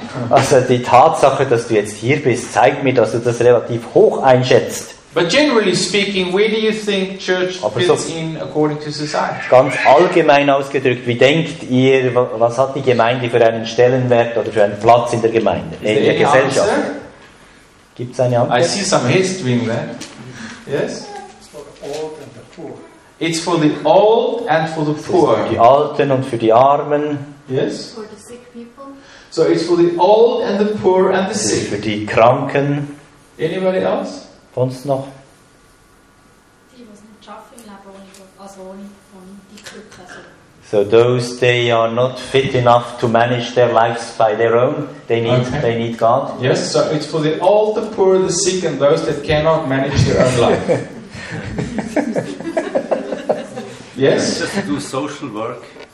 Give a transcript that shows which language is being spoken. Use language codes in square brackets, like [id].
[de] Also die Tatsache, dass du jetzt hier bist, zeigt mir, dass du das relativ hoch einschätzt. [en] But generally speaking, where do you think church fits in according to society? [de] Ganz allgemein ausgedrückt, wie denkt ihr, was hat die Gemeinde für einen Stellenwert oder für einen Platz in der Gemeinde, in der Gesellschaft? [en] Answer? [de] Gibt es eine Antwort? [en] I see some heads doing that. Yes? It's for the old and the poor. It's for the old and for the poor. [de] Für die Alten und für die Armen. [en] Yes? For the sick people. So it's for the old and the poor and the sick. [de] Für die Kranken. [en] Anybody else? [de] Sonst noch? Die, die nicht arbeiten, aber ohne die Krücken. [en] So those, they are not fit enough to manage their lives by their own. They need God. Yes, so it's for the old, the poor, the sick, and those that cannot manage their own life. Yes? Just to do social work.